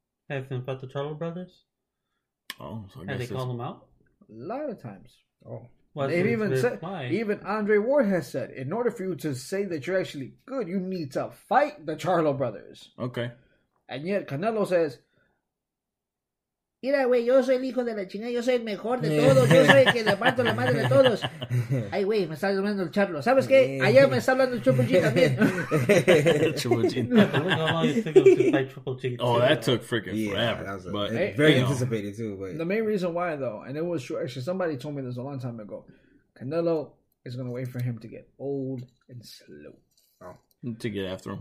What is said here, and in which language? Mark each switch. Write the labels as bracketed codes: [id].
[en] Has he fought the Charlo brothers? Oh, so have they called him out? A lot of times. Oh, well, they've even said. Fine. Even Andre Ward has said, in order for you to say that you're actually good, you need to fight the Charlo brothers. Okay. And yet Canelo says, [es] mira, güey, yo soy el hijo de la chingada, yo soy el mejor de todos, yo soy el que le parto la madre de todos. Ay, güey, me está hablando el Charlo. ¿Sabes qué? Ayer me está hablando el Triple G también. El Triple G. [en] I don't know how long it took to fight Triple G. Oh, that took freaking forever. Yeah, very anticipated, too. But the main reason why, though, and it was true, actually, somebody told me this a long time ago, Canelo is going to wait for him to get old and slow. To get after him.